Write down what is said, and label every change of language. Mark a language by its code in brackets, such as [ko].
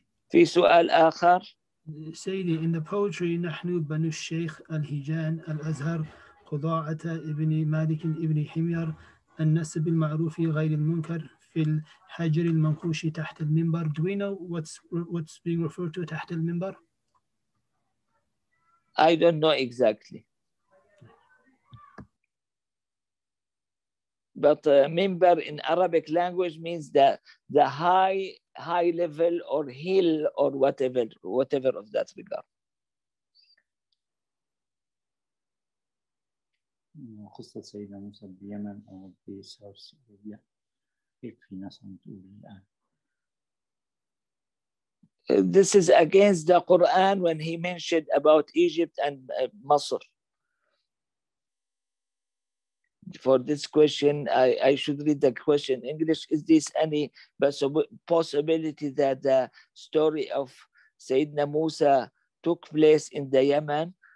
[ar] في سؤال آخر سيدي، [en] in the poetry [ar] نحن بنو الشيخ الهجان الأزهر خضاعة ابن مالك ابن حمير النسب المعروف غير المنكر في الحجر المنقوش تحت المنبر. [en] Do we know what's being referred to [ar] تحت المنبر؟ [en] I don't know exactly. But منبر in Arabic language means the high level or hill or whatever of that regard. [ar] قصة سيدنا موسى باليمن أو بسارس أوليا يكفي ناس عم تقول الآن. [en] This is against the Quran when he mentioned about Egypt and Masr. For this question, I should read the question in English. Is this any possibility that the story of سيدنا موسى took place in the Yemen?